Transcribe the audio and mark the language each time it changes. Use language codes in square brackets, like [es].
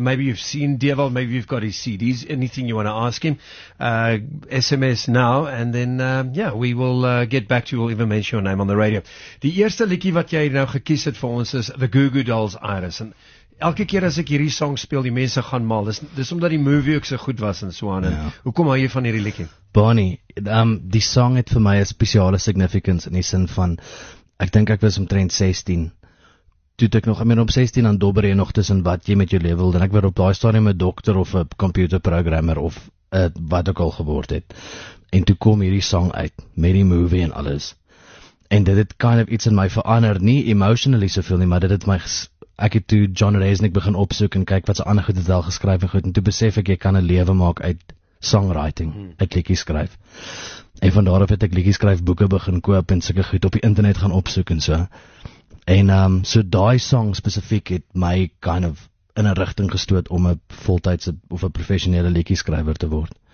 [en] Maybe you've seen Dewald, maybe you've got his CDs, anything you want to ask him. SMS now, and then, we will get back to you, we'll even mention your name on the radio. [af] Die eerste liedjie wat jy nou gekies het vir ons is The Goo Goo Dolls, Iris. En elke keer as ek hierdie song speel, die mense gaan mal. Dis omdat die movie ook so goed was en so aan. Ja. Hoekom hou jy van hierdie liedjie? Bonnie, die song het vir my 'n spesiale significance in die sin van, ek dink ek was omtrent 16. Toe het ek nog, op 16 aan dobber en nog tussen wat jy met jou lewe wil, en ek werd op daai stadium 'n dokter of 'n computerprogrammer of wat ook al geword het. En toe kom hierdie song uit, met die movie en alles. En dit het [en] kind of [af] iets in my verander, nie emotionally soveel nie, maar dit het my ek het toe John Resnick begin opsoek en kyk wat sy ander goed het al geskryf en goed, en toe besef ek, jy kan 'n lewe maak uit songwriting, uit liedjie skryf. En van daar af het ek liedjie skryf boeke begin koop en sulke goed op die internet gaan opsoek en so. En so daai song spesifiek het my [en] kind of [af] in 'n rigting gestoot om 'n voltydse of 'n professionele liedjie skrywer te word.